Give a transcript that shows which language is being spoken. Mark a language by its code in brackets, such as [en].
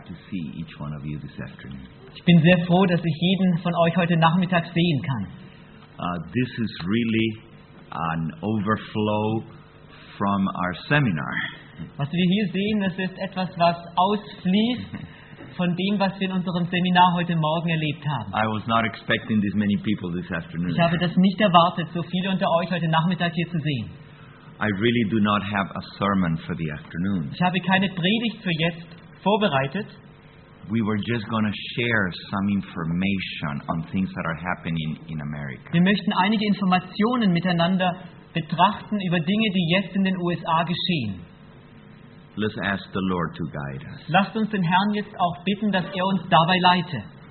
[de] Ich bin sehr froh, dass ich jeden von euch heute Nachmittag sehen kann. [en] This is really an overflow from our seminar. [de] Was wir hier sehen, das ist etwas, was ausfließt von dem, was wir in unserem Seminar heute Morgen erlebt haben. [en] I was not expecting this many people this afternoon. [de] Ich habe das nicht erwartet, so viele unter euch heute Nachmittag hier zu sehen. [en] I really do not have a sermon for the afternoon. [de] Ich habe keine Predigt für jetzt vorbereitet. [en] We were just going to share some information on things that are happening in America. [de] Wir möchten einige Informationen miteinander betrachten über Dinge, die jetzt in den USA geschehen. [en] Let's ask the Lord to guide us. [de] Lasst uns den Herrn jetzt auch bitten, dass er uns dabei leite.